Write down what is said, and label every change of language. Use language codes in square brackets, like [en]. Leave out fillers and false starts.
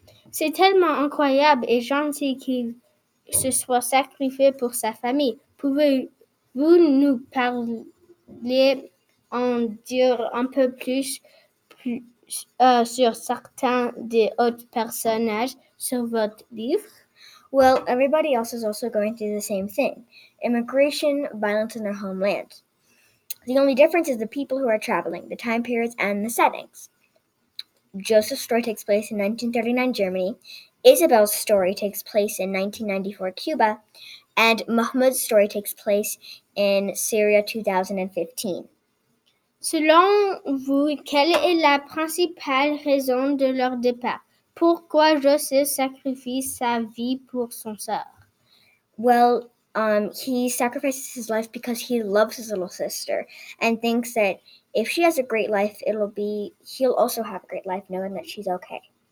[fr] C'est tellement incroyable et gentil qu'il se soit sacrifié pour sa famille. Pouvez-vous nous parler, en dire un peu plus sur certains des autres personnages sur votre livre? [en] Well, everybody else is also going through the same thing. Immigration, violence in their homeland. The only difference is the people who are traveling, the time periods and the settings. Joseph's story takes place in 1939 Germany, Isabel's story takes place in 1994 Cuba, and Mahmoud's story takes place in Syria 2015. [fr] Selon vous, quelle est la principale raison de leur départ? Pourquoi Joseph sacrifie sa vie pour son sœur? [en] Well, he sacrifices his life because he loves his little sister and thinks that if she has a great life, he'll also have a great life knowing that she's okay.